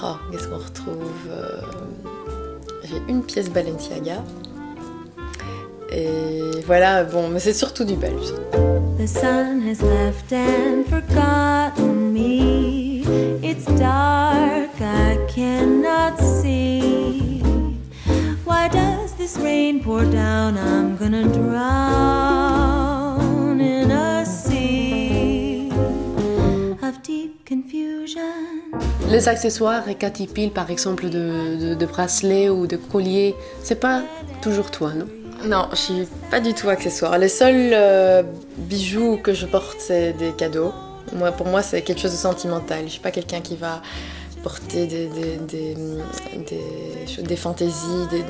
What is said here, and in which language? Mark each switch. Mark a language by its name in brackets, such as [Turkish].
[French] Qu'est-ce qu'on retrouve? J'ai une pièce Balenciaga. Et voilà, bon, mais c'est surtout du belge. [English] The sun has left and forgotten me. It's dark, I cannot see. Why does this rain pour down? I'm gonna drown in a sea of deep confusion. [French] Les accessoires et Cathy Pill, par exemple, de bracelets ou de colliers, c'est pas toujours toi, non? Non, je suis pas du tout accessoire. Les seuls bijoux que je porte, c'est des cadeaux. Moi, pour moi, c'est quelque chose de sentimental. Je suis pas quelqu'un qui va porter des fantaisies.